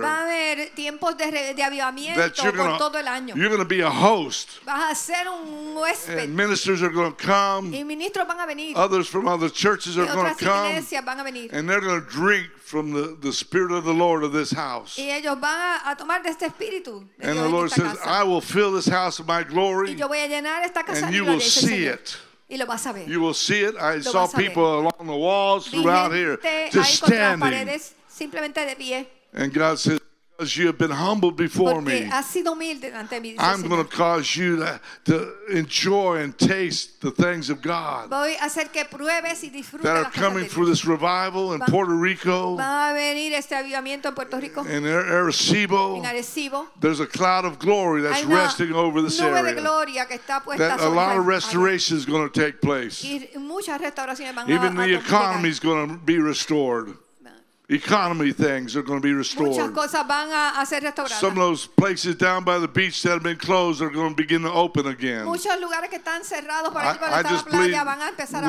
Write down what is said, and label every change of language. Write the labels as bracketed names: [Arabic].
[Spanish] Va a haber tiempos de avivamiento [English] that you're [Spanish] por todo el año. [English] You're going to be a host. [Spanish] Vas a ser un huésped. [English] And ministers are going to come. [Spanish] Y ministros van a venir. [English] Others from other churches are going to come. And they're going to drink from the Spirit of the Lord of this house. [Spanish] Y ellos van a tomar de este espíritu. [English] And the Lord says, I will fill this house with my glory. [Spanish] Y yo voy a llenar esta casa [English] and you will see it. [Spanish] Y lo vas a ver. [English] You will see it. I saw people along the walls throughout here just standing. [Spanish] Simplemente de pie. [English] And God says, because you have been humbled before [Spanish] porque has sido humilde ante mí, [English] I'm going to cause you to enjoy and taste the things of God [Spanish] voy a hacer que pruebes y disfrutes [English] that are coming for this revival in Puerto Rico, [Spanish] va a venir este avivamiento en Puerto Rico. [English] In Arecibo, [Spanish] en Arecibo [English] there's a cloud of glory that's [Spanish] hay una [English] resting over this [Spanish] nube [English] area [Spanish] de gloria que está puesta [English] that [Spanish] sobre [English] a lot of restoration is going to take place [Spanish] y muchas restauraciones van [English] even [Spanish] a [English] the economy is going to be restored. economy things are going to be restored. [Spanish] Muchas cosas van a ser restauradas. [English] Some of those places down by the beach that have been closed are going to begin to open again. [Spanish] Muchos lugares que están cerrados por aquí, [English] I just believe [Spanish] van a empezar a abrir.